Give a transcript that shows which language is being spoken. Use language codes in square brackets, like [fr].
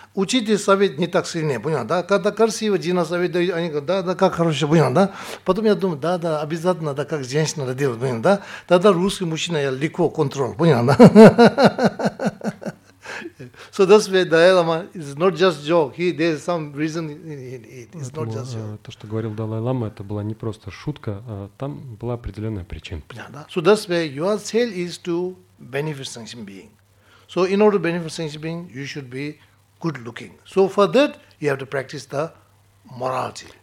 [ru] Учитель совет не так сильнее, понял, да? Когда красивая жена советует, они говорят, да, как хорошо, понял, да? Потом я думаю, да, обязательно, да, как женщина родила, понял, да? Тогда русский мужчина я легко контроль, понял, да? [en] So that's why Dalai Lama is not just joke. He there is some reason. It's not just joke. [ru] То, что говорил Далай Лама, это была не просто шутка, а там была определенная причина. [en] Yeah, [ru] да. [en] So that's why your cell is to benefit sentient being. So in order to benefit sentient being, you should be good looking. So for that, you have to practice the morality.